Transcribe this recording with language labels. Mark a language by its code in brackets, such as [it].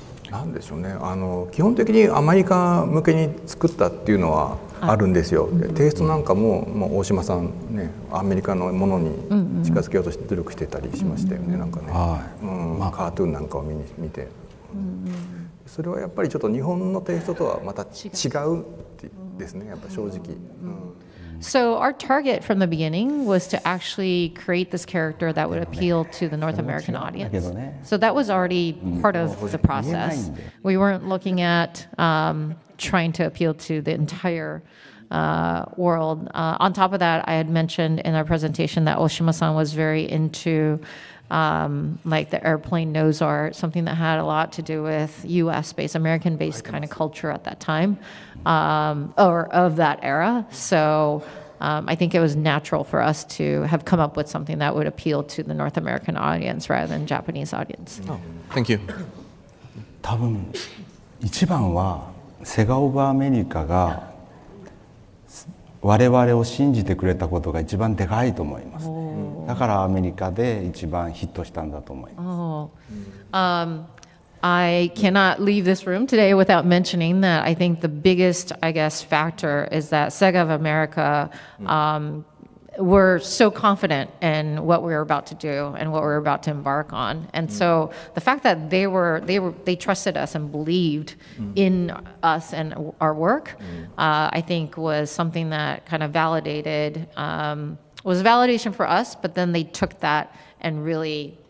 [ja] なんでしょうね、あの基本的にアメリカ向けに作ったっていうのはあるんですよ、でテイストなんか もう大島さんね、アメリカのものに近づけようとして努力してたりしましたよね、なんかね、はい、うん、まあ、カートゥーンなんかを見て、うん、それはやっぱりちょっと日本のテイストとはまた違うですね、やっぱ正直、うん、 [en] So our target from the beginning was to actually create this character that would appeal to the North American audience. So that was already part of the process. We weren't looking at trying to appeal to the entire world. On top of that, I had mentioned in our presentation that Oshima-san was very into like the airplane nose art, something that had a lot to do with US-based, American-based kind of culture at that time. Or of that era. So I think it was natural for us to have come up with something that would appeal to the North American audience rather than Japanese audience. Oh, thank you. [ja] 多分一番はセガオブアメリカが我々を信じてくれたことが一番でかいと思います。 [en] Oh. [ja] だからアメリカで一番ヒットしたんだと思います。 [en] Oh. I cannot leave this room today without mentioning that I think the biggest, I guess, factor is that Sega of America were so confident in what we were about to do and what we were about to embark on. And so the fact that they trusted us and believed in us and our work, I think was something that kind of validated, was a validation for us, but then they took that and really...